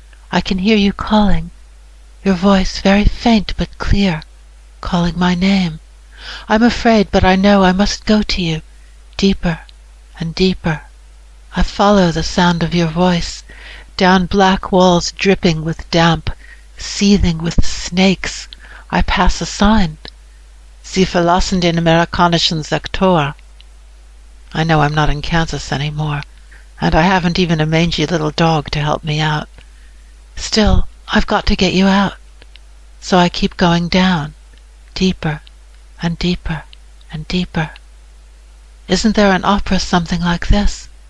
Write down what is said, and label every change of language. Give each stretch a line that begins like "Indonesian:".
English: I can hear you calling, your voice very faint but clear, calling my name. I'm afraid, but I know I must go to you. Deeper and deeper, I follow the sound of your voice, down black walls dripping with damp, seething with snakes. I pass a sign,
German: Sie verlassen den amerikanischen Sektor.
English: I know I'm not in Kansas anymore, and I haven't even a mangy little dog to help me out. Still, I've got to get you out, so I keep going down, deeper and deeper and deeper. Isn't there an opera something like this?